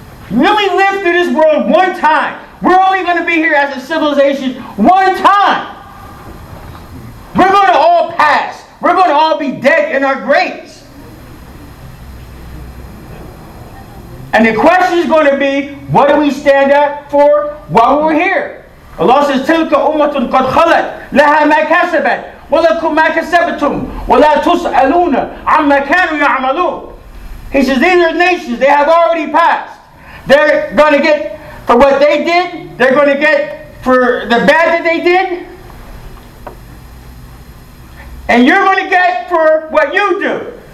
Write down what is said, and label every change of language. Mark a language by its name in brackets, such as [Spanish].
[English] We only live through this world one time. We're only going to be here as a civilization one time. We're going to all pass. We're going to all be dead in our graves. And the question is going to be, what do we stand up for while we're here? Allah says, [Arabic] تِلْكَ أُمَّةٌ قَدْ خَلَتْ لَهَا مَا كَسَبَتْ وَلَكُمْ مَا كَسَبْتُمْ وَلَا تُسْأَلُونَ عَمَّا كَانُوا يَعْمَلُونَ. [English] He says, these are nations, they have already passed. They're going to get for what they did, they're going to get for the bad that they did, and you're going to get for what you do.